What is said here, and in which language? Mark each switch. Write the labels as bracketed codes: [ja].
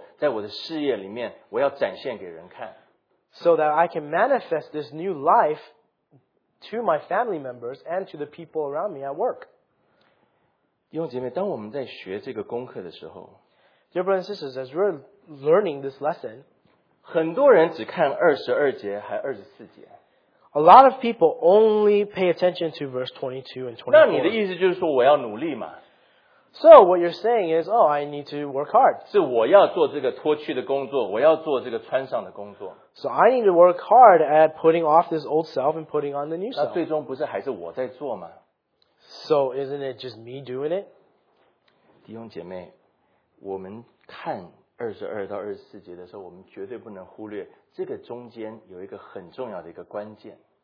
[zh] 是因为我要将神所赐给我的这个生命，在我的家人面前，在我的工作场所，在我的事业里面，我要展现给人看。 [en] So that I can manifest this new life to my family members and to the people around me at work. [zh] 弟兄姐妹, 当我们在学这个功课的时候, [en] Dear brothers and sisters, as we're learning this lesson, [zh] 很多人只看22节还24节, [en] a lot of people only pay attention to verse 22 and 24. [zh] 那你的意思就是说我要努力嘛? [en] So what you're saying is, oh, I need to work hard. [zh] 是我要做这个脱去的工作，我要做这个穿上的工作。 [en] So I need to work hard at putting off this old self and putting on the new self. [zh] 那最终不是还是我在做吗? [en] So isn't it just me doing it? [zh] 弟兄姐妹，我们看二十二到二十四节的时候，我们绝对不能忽略这个中间有一个很重要的一个关键。